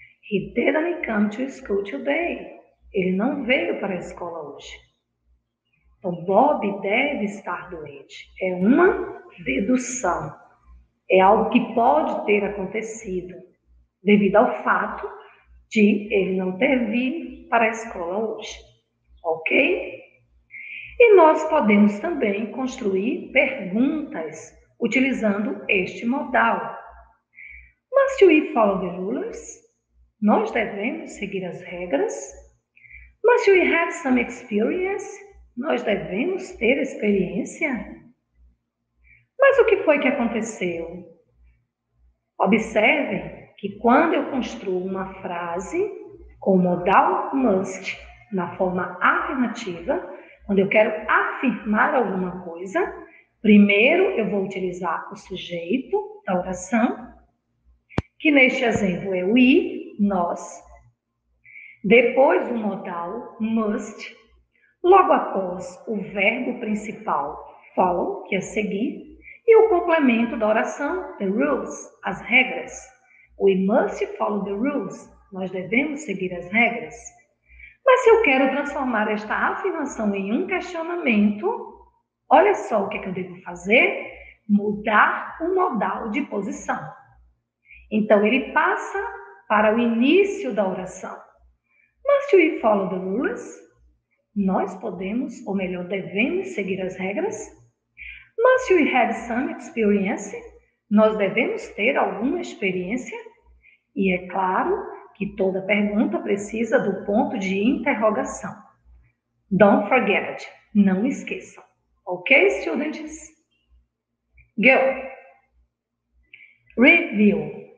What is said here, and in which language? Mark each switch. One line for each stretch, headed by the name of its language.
English: He didn't come to school today.
Portuguese: Ele não veio para a escola hoje. Então, Bob deve estar doente. É uma dedução. É algo que pode ter acontecido devido ao fato de ele não ter vindo para a escola hoje. Ok? E nós podemos também construir perguntas utilizando este modal.
English: Must we follow the rules?
Portuguese: Nós devemos seguir as regras?
English: Must we have some experience?
Portuguese: Nós devemos ter experiência? Mas o que foi que aconteceu? Observem que quando eu construo uma frase com o modal must na forma afirmativa, quando eu quero afirmar alguma coisa, primeiro eu vou utilizar o sujeito da oração, que neste exemplo é we, nós. Depois o modal must. Logo após o verbo principal follow, que é seguir. E o complemento da oração, the rules, as regras.
English: We must follow the rules.
Portuguese: Nós devemos seguir as regras. Mas se eu quero transformar esta afirmação em um questionamento, olha só o que eu devo fazer. Mudar o modal de posição. Então, ele passa para o início da oração.
English: Must we follow the rules?
Portuguese: Nós podemos, ou melhor, devemos seguir as regras.
English: Must we have some experience?
Portuguese: Nós devemos ter alguma experiência. E é claro que toda pergunta precisa do ponto de interrogação.
English: Don't forget it.
Portuguese: Não esqueçam.
English: Ok, students? Go. Review.